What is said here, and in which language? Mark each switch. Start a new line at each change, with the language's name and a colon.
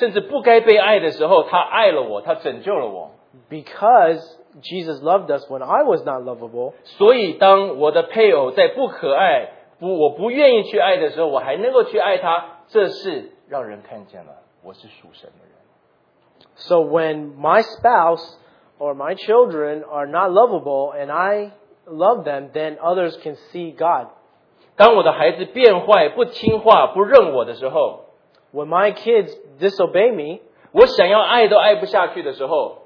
Chinese: 因为主耶稣基督在我不可爱,甚至不该被爱的时候,他爱了我,他拯救了我,
English: because Jesus loved us when I was not lovable,
Chinese: 所以当我的配偶在不可爱, 我不愿意去爱的时候,我还能够去爱他, 这是让人看见了,我是属神的人。
English: So when my spouse or my children are not lovable and I love them, then others can see God.
Chinese: 当我的孩子变坏,不听话,不认我的时候,
English: When my kids disobey me,
Chinese: 我想要爱都爱不下去的时候,